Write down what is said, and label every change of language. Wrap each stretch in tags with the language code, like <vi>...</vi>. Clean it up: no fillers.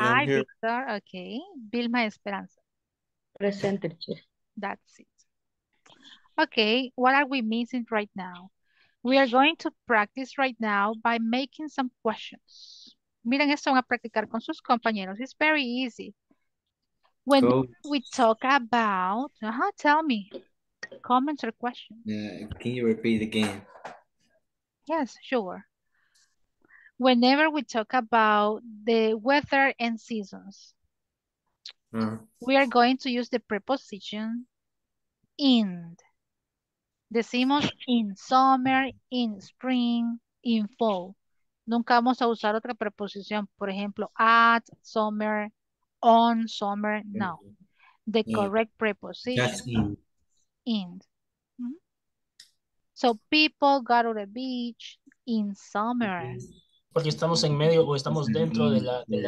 <en>Hi, Victor. Okay. Vilma Esperanza. Present, teacher. That's it. Okay. What are we missing right now? We are going to practice right now by making some questions.</en> <es>Miren esto, van a practicar con sus compañeros.</es> <en>It's very easy. When we talk about, tell me, comments or questions. Can you repeat again? Yes, sure. Whenever we talk about the weather and seasons, we are going to use the preposition in.</en> <es>Decimos</es> <en>in summer, in spring, in fall.</en> <es>Nunca vamos a usar otra preposición. Por ejemplo,</es> <en>at summer, on summer.</en> <es>No.</es> <en>The correct preposition. That's in. So people go to the beach in summer.</en> <es>Porque estamos en medio o estamos dentro de la...</es>